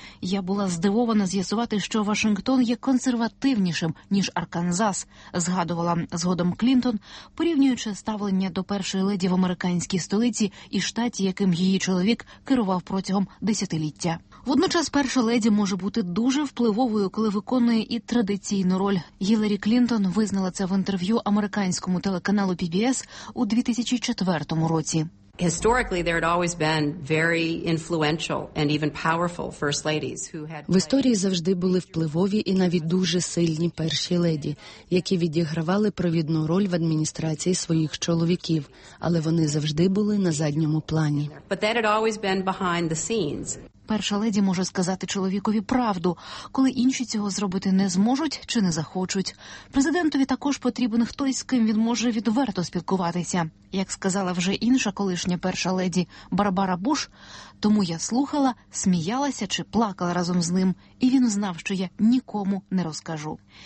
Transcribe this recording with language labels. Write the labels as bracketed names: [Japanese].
[Ukrainian] «Я була здивована з'ясувати, що Вашингтон є консервативнішим, ніж Арканзас», згадувала згодом Клінтон, порівнюючи ставлення до першої леді в американській столиці і штаті, яким її чоловік керував протягом десятиліття. Водночас перша леді може бути дуже впливовою, коли виконує і традиційну роль. Гіларі Клінтон визнала це в інтерв'ю американському телеканалу PBS у 2004 році. [English] Historically, there had always been very influential and even powerful first ladies who had [Ukrainian] в історії завжди були впливові і навіть дуже сильні перші леді, які відігравали провідну роль в адміністрації своїх чоловіків, але вони завжди були на задньому плані. [English] But that had always been behind the scenes. [Ukrainian] Перша леді може сказати чоловікові правду, коли інші цього зробити не зможуть чи не захочуть. Президентові також потрібен хтось, з ким він може відверто спілкуватися. Як сказала вже інша колишня перша леді Барбара Буш, тому я слухала, сміялася чи плакала разом з ним, і він знав, що я нікому не розкажу.